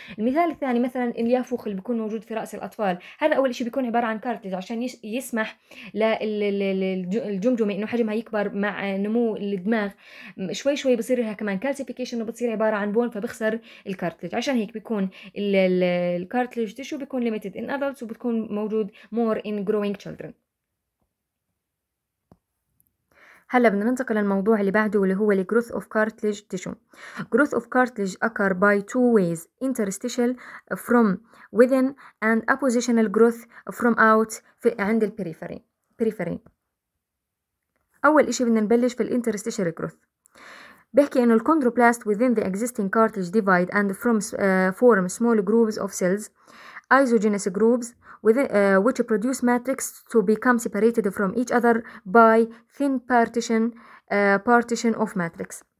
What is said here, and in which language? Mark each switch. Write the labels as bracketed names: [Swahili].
[Arabic] المثال الثاني مثلا اليافوخ اللي بيكون موجود في رأس الأطفال، هذا أول إشي بيكون عبارة عن كارتليج عشان يسمح للجمجمة إنه حجمها يكبر مع نمو الدماغ، شوي شوي بصير لها كمان كالسيفيكيشن وبتصير عبارة عن بون، فبخسر الكارتليج. عشان هيك بيكون الكارتليج تشو بيكون [English] limited in adults [Arabic] وبتكون موجود [English] more in growing children. [Arabic] هلا بدنا ننتقل للموضوع اللي بعده اللي هو [English] growth of cartilage tissue. Growth of cartilage occur by two ways: interstitial from within and appositional growth from out [Arabic] في عند [English] periphery. [Arabic] أول إشي بدنا نبلش في الانترستيشال كروث. بحكي إنه الكوندروبلاست [English] within the existing cartilage divide and form small groups of cells, isogenous groups within, which produce matrix to become separated from each other by thin partition partition of matrix.